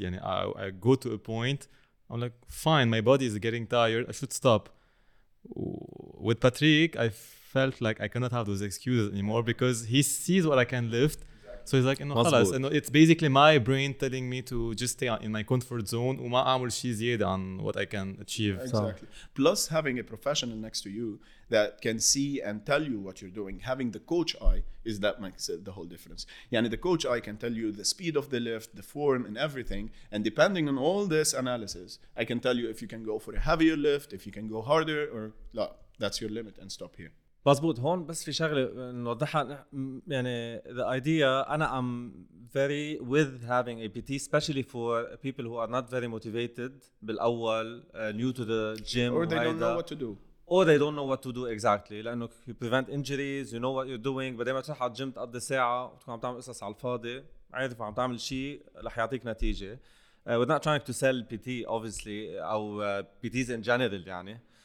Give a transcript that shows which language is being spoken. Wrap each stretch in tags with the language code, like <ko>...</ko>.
<en>يعني I go to a point. I'm like, fine. My body is getting tired. I should stop. With Patrick, I felt like I cannot have those excuses anymore because he sees what I can lift. So he's like, خلاص. And it's basically my brain telling me to just stay in my comfort zone.</en> <ar>وما أعمل شيء زيادة عن</ar> <en>what I can achieve. Exactly. So. Plus having a professional next to you. That can see and tell you what you're doing. Having the coach eye is that makes it the whole difference. Yani the coach eye can tell you the speed of the lift, the form and everything. And depending on all this analysis, I can tell you if you can go for a heavier lift, if you can go harder or no, that's your limit and stop here.</en> <ar>مظبوط هون بس في شغلة نوضحها يعني</ar> <en>the idea أنا I'm very with having a PT especially for people who are not very motivated</en> <ar>بالأول</ar> <en>new to the gym or they don't know what to do. Or they don't know what to do exactly. لأنه you prevent injuries, you know what you're doing.</en> <ar>بدي ما تروح على الجيم تقضي ساعة وتكون عم تعمل قصص على الفاضي. عارف عم تعمل شيء رح يعطيك نتيجة.</ar> <en>We're not trying to sell PT obviously or PTs in general يعني.</en>